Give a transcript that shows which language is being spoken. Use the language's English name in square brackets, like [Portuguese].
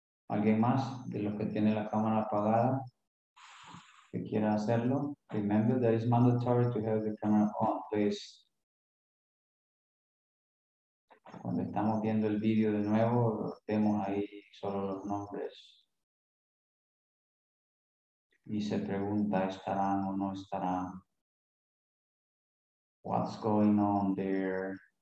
[Spanish] ¿Alguien más de los que tiene la cámara apagada que quiera hacerlo? [English] Remember that it's mandatory to have the camera on, please. [Spanish] Cuando estamos viendo el video de nuevo, vemos ahí solo los nombres. Y se pregunta, ¿estarán o no estarán? [English] What's going on there?